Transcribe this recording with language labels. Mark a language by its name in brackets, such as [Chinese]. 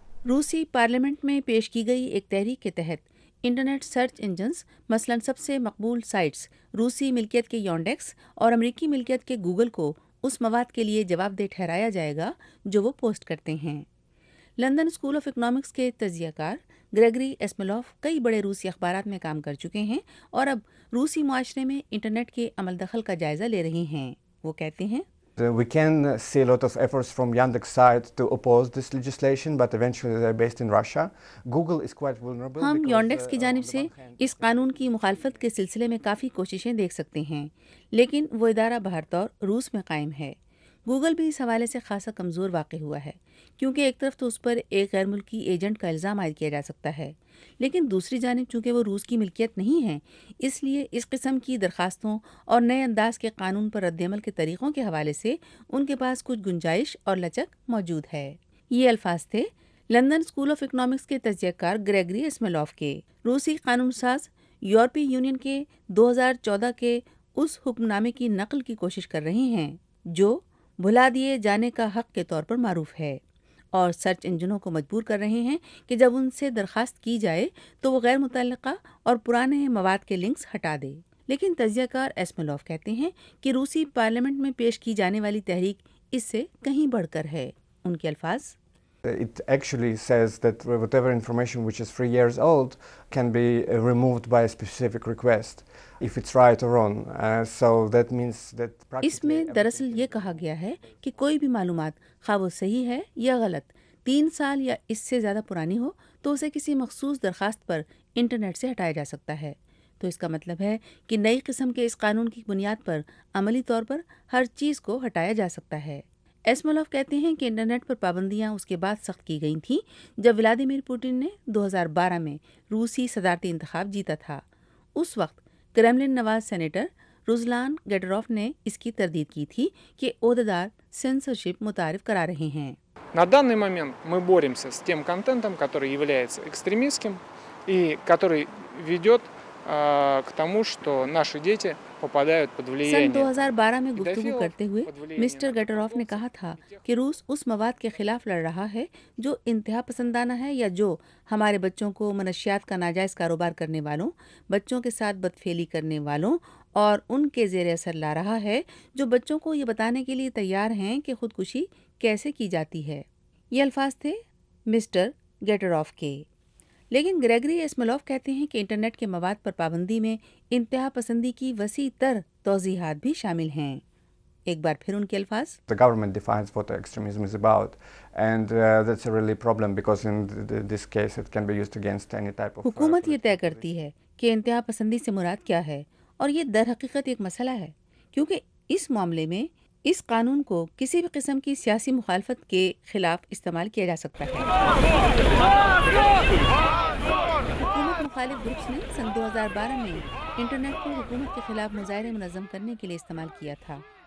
[Urdu] روسی پارلیمنٹ میں پیش کی گئی ایک تحریک کے تحت انٹرنیٹ سرچ انجنز، مثلا سب سے مقبول سائٹس روسی ملکیت کے یونڈیکس اور امریکی ملکیت کے گوگل کو اس مواد کے لیے جواب دہ ٹھہرایا جائے گا جو وہ پوسٹ کرتے ہیں۔ لندن اسکول آف اکنامکس کے تجزیہ کار گریگری ایسملوف کئی بڑے روسی اخبارات میں کام کر چکے ہیں اور اب روسی معاشرے میں انٹرنیٹ کے عمل دخل کا جائزہ لے رہے ہیں۔ وہ کہتے ہیں، [English] We can see a lot of efforts from Yandex side to oppose this legislation, but eventually they're based in Russia. Google is quite vulnerable. [Urdu] ہم یونڈیکس کی جانب سے اس قانون کی مخالفت کے سلسلے میں کافی کوششیں دیکھ سکتے ہیں، لیکن وہ ادارہ بہر طور روس میں قائم ہے۔ گوگل بھی اس حوالے سے خاصا کمزور واقع ہوا ہے کیونکہ ایک طرف تو اس پر ایک غیر ملکی ایجنٹ کا الزام عائد کیا جا سکتا ہے، لیکن دوسری جانب چونکہ وہ روس کی ملکیت نہیں ہے اس لیے اس قسم کی درخواستوں اور نئے انداز کے قانون پر رد عمل کے طریقوں کے حوالے سے ان کے پاس کچھ گنجائش اور لچک موجود ہے۔ یہ الفاظ تھے لندن اسکول آف اکنامکس کے تجزیہ کار گریگری ایسملوف کے۔ روسی قانون ساز یورپی یونین کے 2014 کے اس حکم نامے کی نقل کی کوشش کر رہے ہیں جو بھلا دیے جانے کا حق کے طور پر معروف ہے، اور سرچ انجنوں کو مجبور کر رہے ہیں کہ جب ان سے درخواست کی جائے تو وہ غیر متعلقہ اور پرانے مواد کے لنکس ہٹا دے۔ لیکن تجزیہ کار اسمولوف کہتے ہیں کہ روسی پارلیمنٹ میں پیش کی جانے والی تحریک اس سے کہیں بڑھ کر ہے. ان کے الفاظ, [English] it actually says that whatever information which is 3 years old can be removed by a specific request if it's right or wrong. So that means that [Urdu] اس میں دراصل یہ کہا گیا ہے کہ کوئی بھی معلومات خواہ وہ صحیح ہے یا غلط 3 سال یا اس سے زیادہ پرانی ہو تو اسے کسی مخصوص درخواست پر انٹرنیٹ سے ہٹایا جا سکتا ہے. تو اس کا مطلب ہے کہ نئی قسم کے اس قانون کی بنیاد پر عملی طور پر ہر چیز کو ہٹایا جا سکتا ہے. اسمولوف کہتے ہیں کہ انٹرنیٹ پر پابندیاں اس کے بعد سخت کی گئی تھیں جب ولادیمیر پوٹن نے 2012 میں روسی صدارتی انتخاب جیتا تھا. اس وقت کرملین نواز سینیٹر روزلان گیڈروف نے اس کی تردید کی تھی کہ عہدیدار سینسرشپ متعارف کرا رہے ہیں. [Russian] На данный момент мы боремся с тем контентом, который является экстремистским и который ведет к тому, что наши дети попадают под влияние. [Urdu] سن 2012 میں گفتگو کرتے ہوئے مسٹر گیٹروف نے کہا تھا کہ روس اس مواد کے خلاف لڑ رہا ہے جو انتہا پسندانہ ہے یا جو ہمارے بچوں کو منشیات کا ناجائز کاروبار کرنے والوں, بچوں کے ساتھ بدفعلی کرنے والوں اور ان کے زیر اثر لا رہا ہے جو بچوں کو یہ بتانے کے لیے تیار ہیں کہ خودکشی کیسے کی جاتی ہے. یہ الفاظ تھے مسٹر گیٹروف کے. لیکن گریگری اسمولوف کہتے ہیں کہ انٹرنیٹ کے مواد پر پابندی میں انتہا پسندی کی وسیع تر توضیحات بھی شامل ہیں. ایک بار پھر ان کے الفاظ, [English] The government defines what extremism is about and that's a really problem because in this case it can be used against any type of [Urdu] حکومت یہ طے کرتی ہے کہ انتہا پسندی سے مراد کیا ہے, اور یہ در حقیقت ایک مسئلہ ہے کیونکہ اس معاملے میں اس قانون کو کسی بھی قسم کی سیاسی مخالفت کے خلاف استعمال کیا جا سکتا ہے. حکومت مخالف گروپس نے سن 2012 میں انٹرنیٹ کو حکومت کے خلاف مظاہرے منظم کرنے کے لیے استعمال کیا تھا.